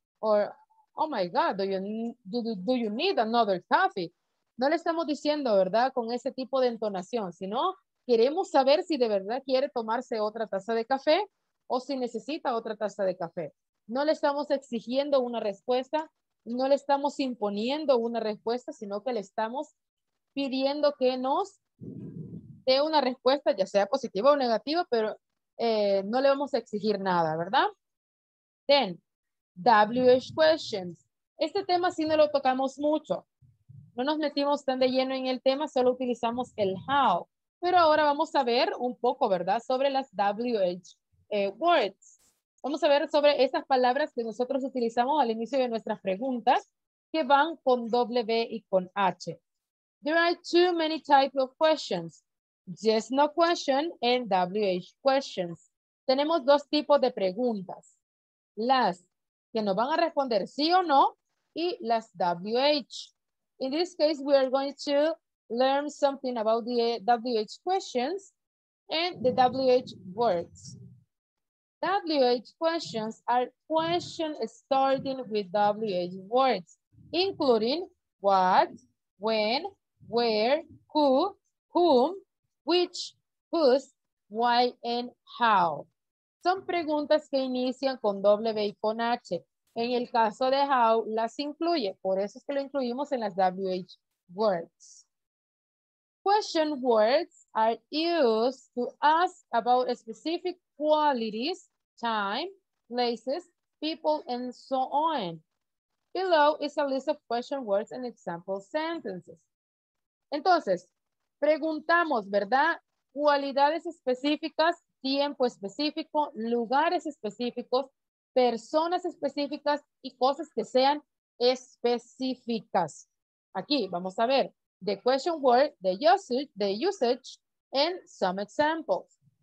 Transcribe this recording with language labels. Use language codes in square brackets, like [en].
[en] Or, oh my God, do you need another coffee? [es] No le estamos diciendo, ¿verdad? Con ese tipo de entonación, sino queremos saber si de verdad quiere tomarse otra taza de café o si necesita otra taza de café. No le estamos exigiendo una respuesta, no le estamos imponiendo una respuesta, sino que le estamos pidiendo que nos dé una respuesta, ya sea positiva o negativa, pero no le vamos a exigir nada, ¿verdad? [en] Then, WH questions. [es] Este tema sí no lo tocamos mucho. No nos metimos tan de lleno en el tema, solo utilizamos el how. Pero ahora vamos a ver un poco, ¿verdad? Sobre las WH words. Vamos a ver sobre estas palabras que nosotros utilizamos al inicio de nuestras preguntas que van con W y con H. [en] There are too many types of questions. Yes, no question and WH questions. [es] Tenemos dos tipos de preguntas. Las que nos van a responder sí o no y las WH. [en] In this case, we are going to learn something about the WH questions and the WH words. WH questions are questions starting with WH words, including what, when, where, who, whom, which, whose, why, and how. [es] Son preguntas que inician con W y con H. En el caso de how, las incluye. Por eso es que lo incluimos en las WH words. [en] Question words are used to ask about specific qualities, time, places, people, and so on. Below is a list of question words and example sentences. [es] Entonces, preguntamos, ¿verdad? Cualidades específicas, tiempo específico, lugares específicos, personas específicas y cosas que sean específicas. Aquí vamos a ver [en] the question word, the usage, and some examples.